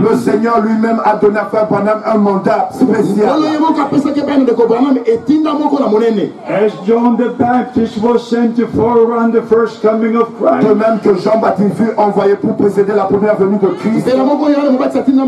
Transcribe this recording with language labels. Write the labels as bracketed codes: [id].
[fr] Le Seigneur lui-même a donné à Frère Branham un mandat spécial. [en] As John the Baptist was sent to forerun the first coming of Christ. [fr] De même que Jean-Baptiste fut envoyé pour précéder la première venue de Christ.